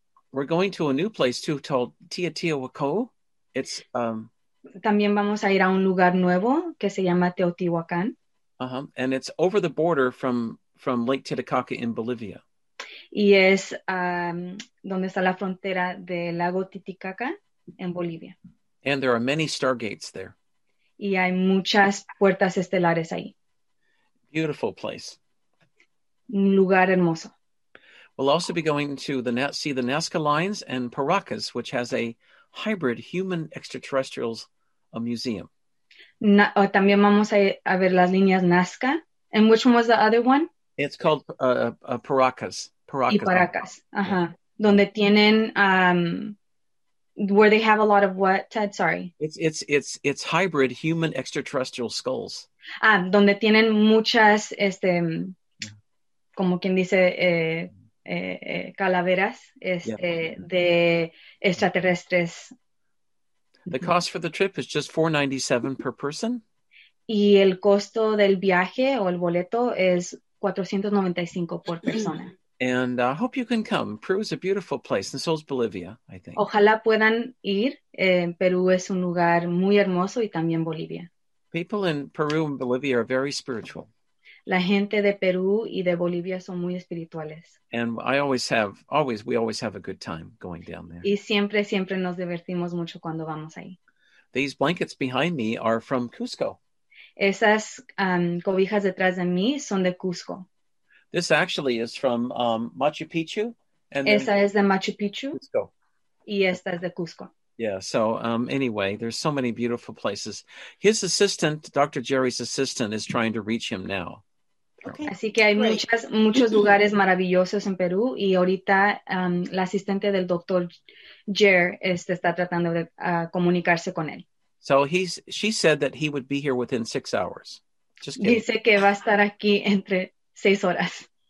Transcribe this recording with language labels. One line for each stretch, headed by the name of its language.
English: We're going to a new place too, called Teotihuacan.
Spanish: También vamos a ir a un lugar nuevo que se llama Teotihuacan. Uh-huh.
English: And it's over the border from Lake Titicaca in Bolivia.
Spanish: Y es donde está la frontera del lago Titicaca en Bolivia.
English: And there are many stargates there.
Spanish: Y hay muchas puertas estelares ahí.
English: Beautiful place.
Spanish: Un lugar hermoso.
English: We'll also be going to see the Nazca Lines and Paracas, which has a hybrid human extraterrestrials museum.
Spanish: También vamos a ver las líneas Nazca.
English: And which one was the other one? It's called Paracas. Paracas. Y Paracas. Uh-huh. Yeah.
Spanish: Donde tienen,
English: where they have a lot of what, Ted? Sorry. It's hybrid human extraterrestrial skulls.
Spanish: Ah, donde tienen muchas, como quien dice, calaveras de extraterrestres.
English: The cost for the trip is just $497 per person.
Spanish: Y el costo del viaje o el boleto es $495 por persona.
English: And I hope you can come. Peru is a beautiful place, and so is Bolivia, I think.
Spanish: Ojalá puedan ir. Perú es un lugar muy hermoso y también Bolivia.
English: People in Peru and Bolivia are very spiritual.
Spanish: La gente de Perú y de Bolivia son muy espirituales.
English: And we always have a good time going down there.
Spanish: Y siempre nos divertimos mucho cuando vamos ahí.
English: These blankets behind me are from Cusco.
Spanish: Esas cobijas detrás de mí son de Cusco.
English: This actually is from Machu Picchu. And
Spanish: esa es de Machu Picchu.
English: Cusco.
Spanish: Y esta es de Cusco.
English: Yeah, so anyway, there's so many beautiful places. His assistant, Dr. Jerry's assistant, is trying to reach him now. Okay.
Spanish: Así que hay muchos lugares maravillosos en Perú y ahorita la asistente del Dr. Jer está tratando de comunicarse con él.
English: So she said that he would be here within 6 hours. Just kidding.
Spanish: Dice que va a estar aquí entre 6 horas.